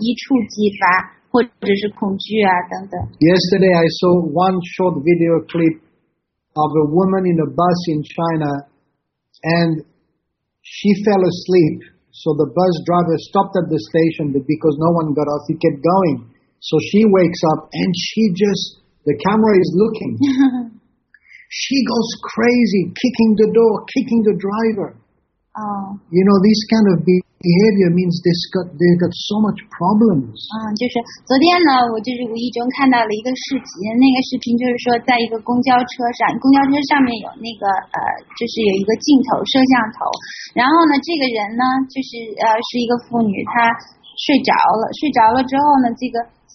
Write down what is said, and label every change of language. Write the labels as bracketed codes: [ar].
[zh] 现在我觉得这里的关键是在于封建者的这个心理啊，攒了太多的东西，太多的压力了，就是你都快窒息了，所以那个意思就是说一触即发，或者是恐惧啊等等。 [en] Yesterday I saw one short video clip of a woman in a bus in China, and she fell asleep, so the bus driver stopped at the station, but because no one got off, he kept going. So she wakes up and she just, the camera is looking. She goes crazy, kicking the door, kicking the driver. Oh. You know, this kind of behavior means they've got so much problems. [zh] 就是昨天呢，我就是无意中看到了一个视频，那个视频就是说，在一个公交车上，公交车上面有那个，就是有一个镜头，摄像头。然后呢，这个人呢，就是一个妇女，她睡着了，睡着了之后呢，这个。